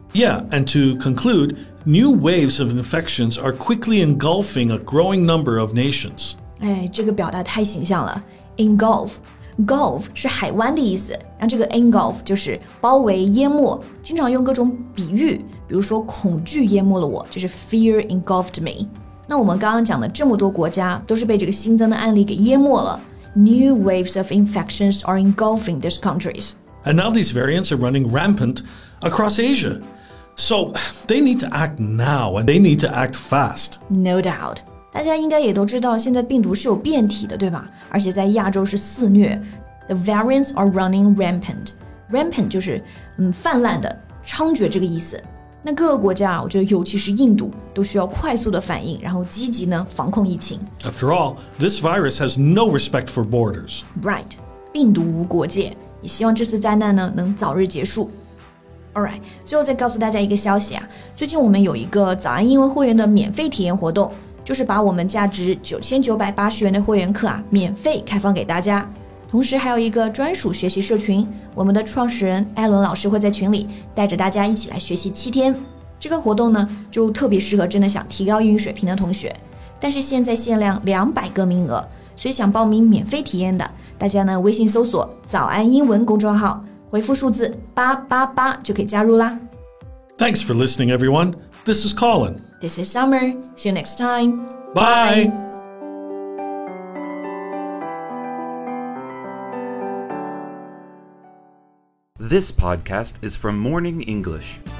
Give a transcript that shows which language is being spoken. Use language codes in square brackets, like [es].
[en] Yeah, and to conclude, new waves of infections are quickly engulfing a growing number of nations. [zh] 这个表达太形象了。 Engulf, gulf 是海湾的意思然后这个 engulf 就是包围淹没经常用各种比喻比如说恐惧淹没了我就是 [en] fear engulfed me. [zh] 那我们刚刚讲的这么多国家都是被这个新增的案例给淹没了。 [en] New waves of infections are engulfing these countries. And now these variants are running rampant across Asia. So they need to act now and they need to act fast. No doubt. [zh] 大家应该也都知道现在病毒是有变体的对吧而且在亚洲是肆虐。 [en] The variants are running rampant. [zh] Rampant 就是泛滥的猖獗这个意思。那各个国家我觉得尤其是印度都需要快速的反应然后积极呢防控疫情 [en] After all, this virus has no respect for borders [zh] Right, 病毒无国界也希望这次灾难呢能早日结束 Alright, 最后再告诉大家一个消息啊最近我们有一个早安英文会员的免费体验活动就是把我们价值9980元的会员课啊免费开放给大家同时还有一个专属学习社群我们的创始人艾伦老师会在群里带着大家一起来学习7天这个活动呢就特别适合真的想提高英语水平的同学但是现在限量200个名额所以想报名免费体验的大家呢微信搜索早安英文公众号回复数字888就可以加入啦 [en] Thanks for listening everyone This is Colin This is Summer See you next time Bye This podcast is from Morning English.